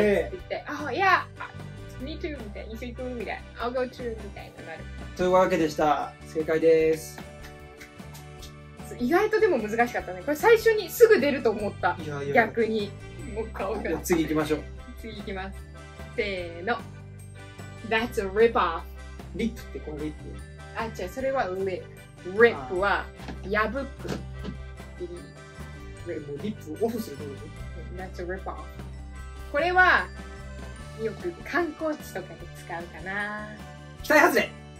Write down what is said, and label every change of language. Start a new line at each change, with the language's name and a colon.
Japanese: って言って、
English: Oh yeah, me too
Japanese: みたいな、一緒に行くみたいな、
English: I'll go too
Japanese: みたいななる。というわけでした、正解です。意外とでも難しかったね。これ最初にすぐ出ると思った。いや逆に、もう顔が。次行きましょう。次行きます。
English: せーの、That's a rip off。
Japanese: リップってこのリップあ、違う、それはリップ。リップは、破く。もうリップオフするってこと
English: That's a rip off.
Japanese: これは、よく観光地とかで使うかな。期待外れ